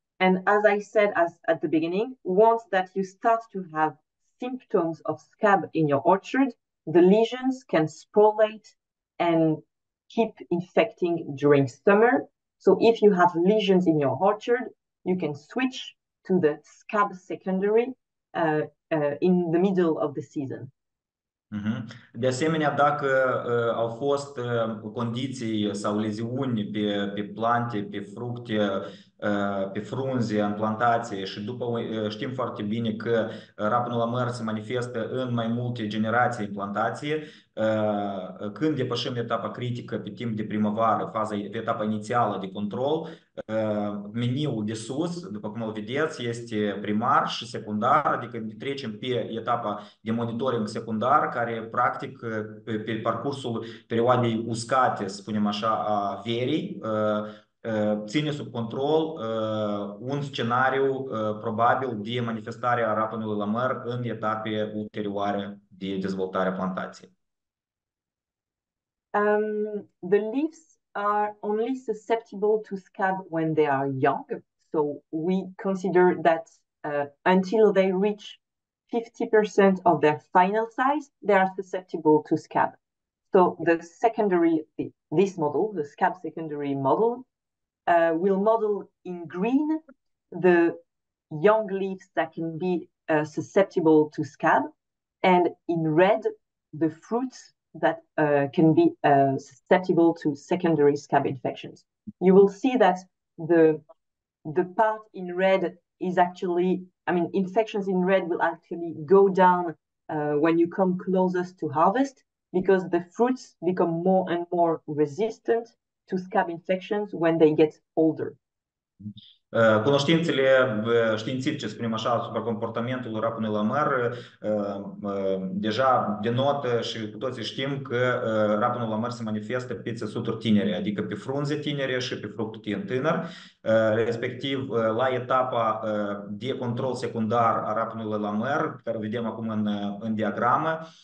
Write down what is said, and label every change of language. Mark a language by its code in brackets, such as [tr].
[en] And as I said at the beginning, once that you start to have symptoms of scab in your orchard, the lesions can sporulate and keep infecting during summer. So if you have lesions in your orchard, you can switch to the scab secondary in the middle of the season. [ro] De asemenea, dacă au fost condiții sau leziuni pe plante, pe fructe, pe frunze, în plantație și după știm foarte bine că rapnul măr se manifestă în mai multe generații în plantație, când depășim etapa critică pe timp de primăvară, faza, etapa inițială de control, meniul de sus, după cum îl vedeți, este primar și secundar, adică trecem pe etapa de monitoring secundar, care practic pe parcursul perioadei uscate, spunem așa, a verii, ține sub control un scenariu probabil de manifestare a rapanului la măr în etape ulterioare de dezvoltare a plantației. [en] The leaves are only susceptible to scab when they are young. So we consider that until they reach 50% of their final size, they are susceptible to scab. So the secondary, this model, the scab secondary model, we'll model in green the young leaves that can be susceptible to scab, and in red, the fruits that can be susceptible to secondary scab infections. You will see that the part in red is actually, I mean, infections in red will actually go down when you come closest to harvest, because the fruits become more and more resistant to scab infections when they get older. [ro] Cunoștințele științifice, spunem așa, asupra comportamentul rapnului la măr deja denotă și cu toții știm că rapnul la măr se manifestă pe țesuturi tinere, adică pe frunze tinere și pe fructul tânăr, respectiv la etapa de control secundar a rapnului la măr, care vedem acum în diagramă.